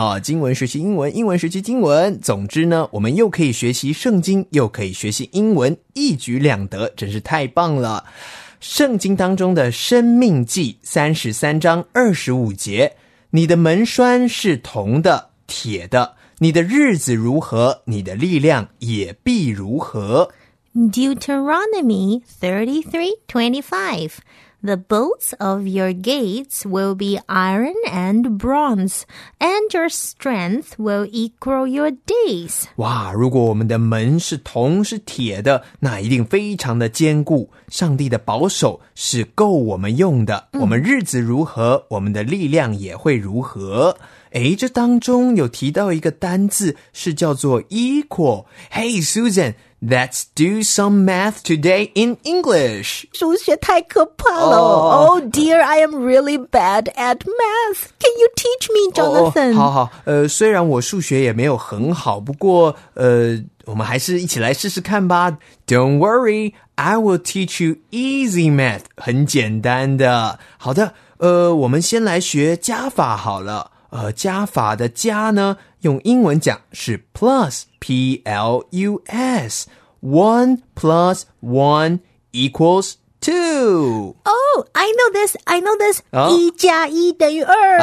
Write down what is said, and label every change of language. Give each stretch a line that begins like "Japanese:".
Chinese: 、经文学习英文，英文学习经文，总之呢我们又可以学习圣经又可以学习英文，一举两得，真是太棒了。圣经当中的生命记33章25节，你的门栓是铜的铁的，你的日子如何，你的力量也必如何。
English: Deuteronomy 33:25, The bolts of your gates will be iron and bronze, and your strength will equal your days.
Chinese: 哇，如果我们的门是铜是铁的，那一定非常的坚固。上帝的保守是够我们用的，我们日子如何，我们的力量也会如何。诶，这当中有提到一个单字是叫做 equal.
English: Hey, Susan, let's do some math today in English.
Chinese: 数学太可怕了。
English: Oh dear, I am really bad at math. Can you teach me, Jonathan?
Chinese: 好好，虽然我数学也没有很好，不过我们还是一起来试试看吧。
English: Don't worry, I will teach you easy math.
Chinese: 很简单的。好的，我们先来学加法好了。加法的加呢，用英文讲是 plus, P-L-U-S.
English: 1 plus 1 equals 2. Oh, I know this.、Oh?
Chinese: 1加1等于2.